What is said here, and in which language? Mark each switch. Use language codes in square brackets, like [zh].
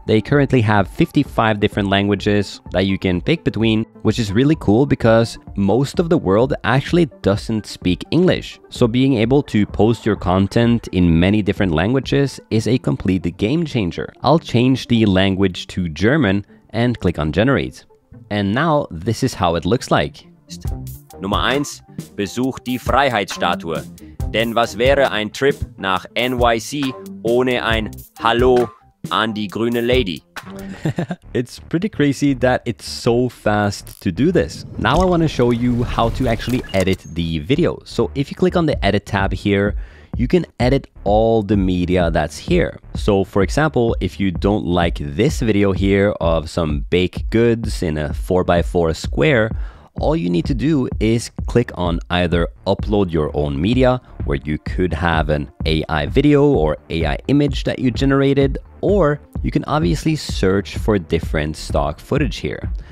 [en] They currently have 55 different languages that you can pick between, which is really cool because most of the world actually doesn't speak English. So being able to post your content in many different languages is a complete game changer. I'll change the language to German and click on Generate. And now this is how it looks like. [de] Nummer 1, besuch die Freiheitsstatue. Denn was wäre ein Trip nach NYC ohne ein Hallo an die grüne Lady? [en] It's pretty crazy that it's so fast to do this. Now I want to show you how to actually edit the video. So if you click on the edit tab here, you can edit all the media that's here. So for example, if you don't like this video here of some baked goods in a 4x4 square, all you need to do is click on either upload your own media, where you could have an AI video or AI image that you generated, or you can obviously search for different stock footage here.